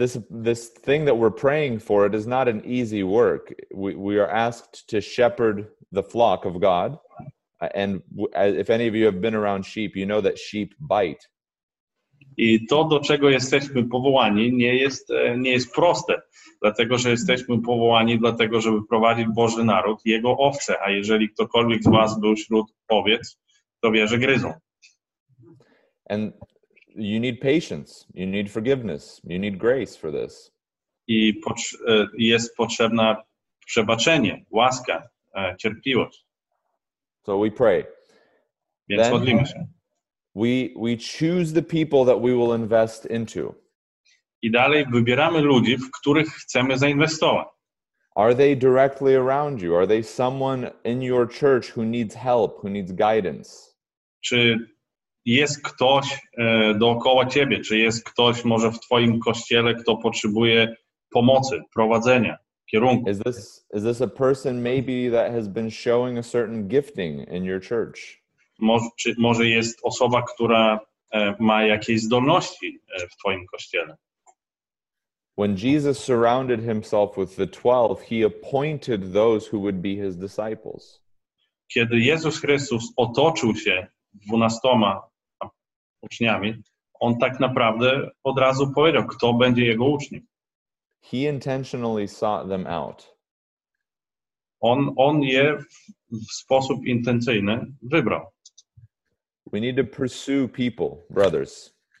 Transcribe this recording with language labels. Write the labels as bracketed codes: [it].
[en] This thing that we're praying for, it is not an easy work. We are asked to shepherd the flock of God, and if any of you have been around sheep, you know that sheep bite. [pl] I to, do czego jesteśmy powołani, nie jest proste, dlatego że jesteśmy powołani dlatego, żeby prowadzić Boży naród, jego owce, a jeżeli ktokolwiek z was był wśród owiec, to wie, że gryzą. [en] And you need patience, you need forgiveness, you need grace for this. [pl] I jest potrzebna przebaczenie, łaska, cierpliwość. [en] So we pray. [pl] Więc modlimy się. [en] We choose the people that we will invest into. [pl] I dalej wybieramy ludzi, w których chcemy zainwestować. [en] Are they directly around you? Are they someone in your church who needs help, who needs guidance? [pl] Czy jest ktoś dookoła ciebie? Czy jest ktoś może w twoim kościele, kto potrzebuje pomocy, prowadzenia, kierunku? [en] Is this a person maybe that has been showing a certain gifting in your church? [pl] Może jest osoba, która ma jakieś zdolności w twoim kościele? [en] When Jesus surrounded himself with the 12, he appointed those who would be his disciples. [pl] Kiedy Jezus Chrystus otoczył się 12 uczniami, on tak naprawdę od razu powiedział, kto będzie jego uczniem. [en] He intentionally sought them out. [pl] On je w sposób intencyjny wybrał. [en] We need to pursue people, brothers.